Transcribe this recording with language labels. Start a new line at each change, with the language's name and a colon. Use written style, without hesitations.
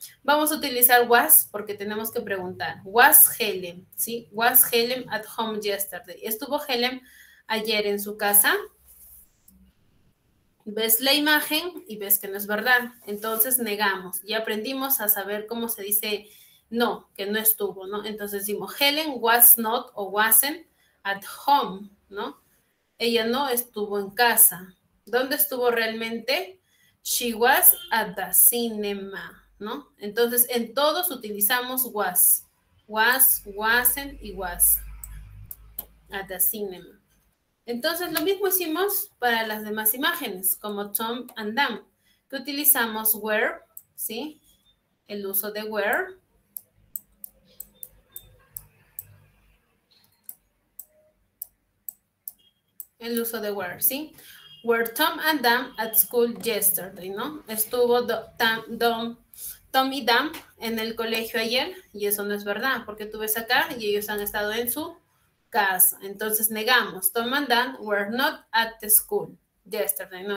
Spanish: Vamos a utilizar was, porque tenemos que preguntar.
English: Was Helen,
Spanish: ¿sí?
English: Was Helen at home yesterday?
Spanish: ¿Estuvo Helen ayer en su casa? Ves la imagen y ves que no es verdad. Entonces negamos. Ya aprendimos a saber cómo se dice no, que no estuvo, ¿no? Entonces decimos,
English: Helen was not
Spanish: o
English: wasn't at home,
Spanish: ¿no? Ella no estuvo en casa. ¿Dónde estuvo realmente?
English: She was at the cinema, ¿no?
Spanish: Entonces en todos utilizamos was.
English: Was, wasn't y was. At the cinema.
Spanish: Entonces, lo mismo hicimos para las demás imágenes, como Tom and Dan, que utilizamos were, ¿sí? El uso de were. El uso de were, ¿sí?
English: Were Tom and Dan at school yesterday, ¿no?
Spanish: Estuvo Tom y Dan en el colegio ayer, y eso no es verdad, porque tú ves acá y ellos han estado en su casa. Entonces negamos,
English: Tom and Dan were not at the school yesterday, ¿no?